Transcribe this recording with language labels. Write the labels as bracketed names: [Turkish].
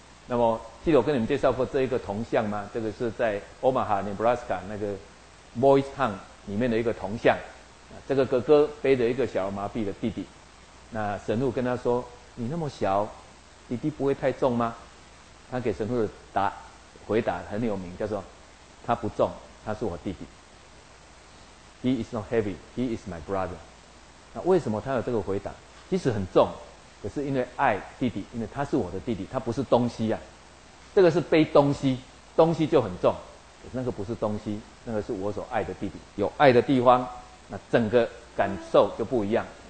[Chinese] 那么记得我跟你们介绍过这一个铜像吗？这个是在 Omaha, Nebraska 那个 Boys Town 里面的一个铜像。这个哥哥背着一个小儿麻痹的弟弟，那神父跟他说，你那么小，弟弟不会太重吗？他给神父的回答很有名，叫做他不重，他是我弟弟。 [English] He is not heavy, he is my brother。 [Chinese] 那为什么他有这个回答？即使很重，可是因为爱弟弟，因为他是我的弟弟，他不是东西啊。这个是背东西，东西就很重，可是那个不是东西，那个是我所爱的弟弟。有爱的地方，那整个感受就不一样。